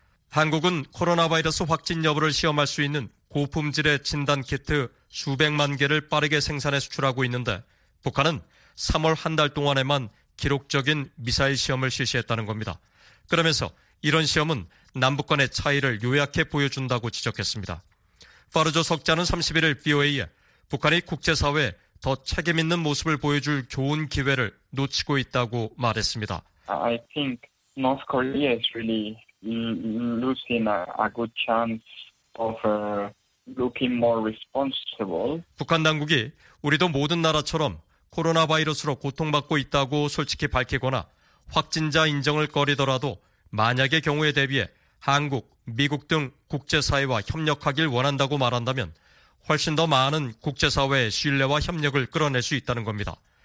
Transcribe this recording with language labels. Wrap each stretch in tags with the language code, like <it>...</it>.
<ko>한국은 코로나 바이러스 확진 여부를 시험할 수 있는 고품질의 진단 키트 수백만 개를 빠르게 생산해 수출하고 있는데 북한은 3월 한 달 동안에만 기록적인 미사일 시험을 실시했다는 겁니다. 그러면서 이런 시험은 남북 간의 차이를 요약해 보여준다고 지적했습니다. 파르조 석자는 31일 BOA에 북한이 국제사회에 더 책임 있는 모습을 보여줄 좋은 기회를 놓치고 있다고 말했습니다.</ko> <en>I think North Korea is really losing a good chance of looking more responsible.</en> <ko>북한 당국이 우리도 모든 나라처럼 코로나 바이러스로 고통받고 있다고 솔직히 밝히거나 확진자 인정을 꺼리더라도 만약의 경우에 대비해 한국, 미국 등 국제사회와 협력하길 원한다고 말한다면 훨씬 더 많은 국제사회의 신뢰와 협력을 끌어낼 수 있다는 겁니다.</ko>